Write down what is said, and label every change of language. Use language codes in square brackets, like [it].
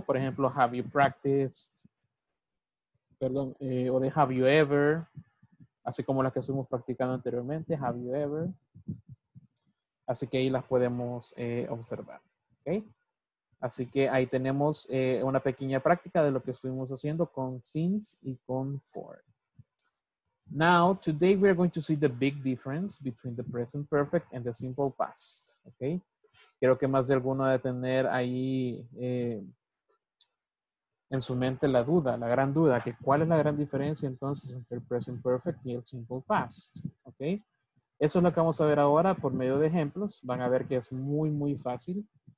[es] Por ejemplo, [en] have you practiced? [es] Perdón, o de [en] have you ever? [es] Así como las que estuvimos practicando anteriormente, [en] have you ever? [es] Así que ahí las podemos observar. Okay. Así que ahí tenemos una pequeña práctica de lo que estuvimos haciendo con since y con for. [en] Now, today we are going to see the big difference between the present perfect and the simple past, okay? [es] Quiero que más de alguno de tener ahí en su mente la duda, la gran duda, que cuál es la gran diferencia entonces entre el present perfect y el simple past, okay? Eso es lo que vamos a ver ahora por medio de ejemplos. Van a ver que es muy, muy fácil.